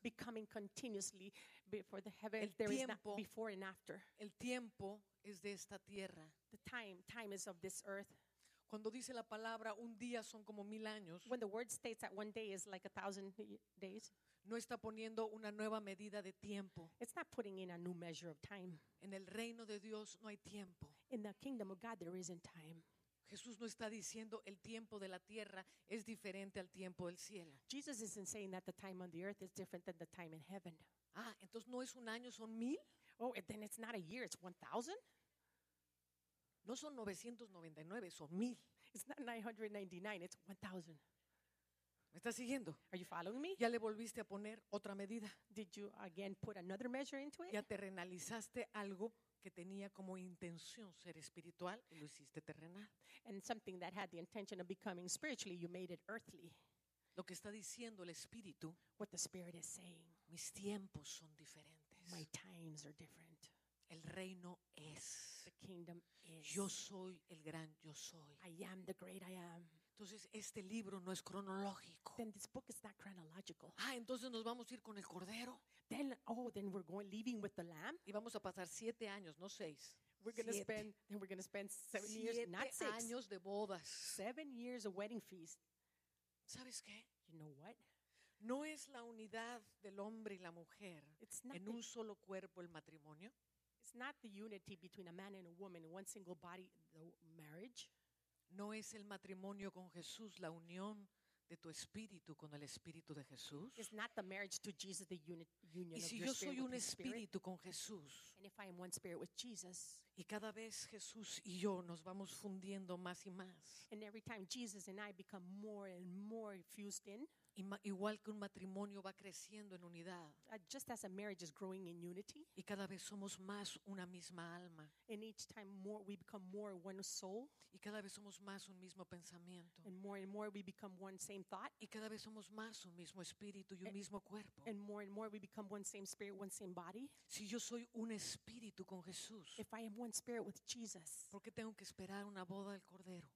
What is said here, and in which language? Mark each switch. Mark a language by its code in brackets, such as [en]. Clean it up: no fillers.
[en] Becoming continuously before the heavens. There is not before and after. [es] El tiempo es de esta tierra. [en] The time is of this earth. [es] Cuando dice la palabra, un día son como mil años. [en] When the word states that one day is like a thousand days. [es] No está poniendo una nueva medida de tiempo. [en] It's not putting in a new measure of time. [es] En el reino de Dios no hay tiempo. [en] In the kingdom of God there isn't time. [es] Jesús no está diciendo el tiempo de la tierra es diferente al tiempo del cielo. [en] Jesus isn't saying that the time on the earth is different than the time in heaven. [es] Ah, entonces no es un año, son mil. [en] Oh, then it's not a year, it's 1,000. [es] No son 999, son 1,000. [en] It's not 999, it's 1,000. [es] ¿Me estás siguiendo? [en] Are you following me? [es] ¿Ya le volviste a poner otra medida? [en] Did you again put another measure into it? [es] ¿Ya terrenalizaste algo que tenía como intención ser espiritual y lo hiciste terrenal? [en] And something that had the intention of becoming spiritually, you made it earthly. [es] Lo que está diciendo el Espíritu. [en] What the Spirit is saying. [es] Mis tiempos son diferentes. [en] My times are different. [es] El reino es. [en] The kingdom is. [es] Yo soy el gran yo soy. [en] I am the great I am. [es] Entonces este libro no es cronológico. [en] Then this book is not chronological. [es] Ah, entonces nos vamos a ir con el cordero. [en] Then we're going leaving with the lamb. [es] Y vamos a pasar siete años, no seis. [en] We're going to spend 7 [es] siete [en] years, not 6. [es] Años de bodas. [en] 7 years of wedding feast. [es] ¿Sabes qué? [en] You know what? [es] No es la unidad del hombre y la mujer en un solo cuerpo el matrimonio. [en] It's not the unity between a man and a woman in one single body, the marriage. [es] No es el matrimonio con Jesús, la unión de tu espíritu con el espíritu de Jesús. [en] It's not the marriage to Jesus, the union [es] y si [en] of your [es] yo soy un espíritu con Jesús. [en] And if I am one spirit with Jesus. [es] Y cada vez Jesús y yo nos vamos fundiendo más y más. [en] And every time Jesus and I become more and more fused in. [es] Igual que un matrimonio va creciendo en unidad. [en] Just as a marriage is growing in unity. [es] Y cada vez somos más una misma alma. [en] And each time more we become more one soul. [es] Y cada vez somos más un mismo pensamiento. [en] And more we become one same thought. [es] Y cada vez somos más un mismo espíritu y un mismo cuerpo. [en] And more we become one same spirit, one same body. [es] Si yo soy un espíritu con Jesús. [en] If I am one spirit with Jesus. [es] ¿Por qué tengo que esperar una boda del Cordero?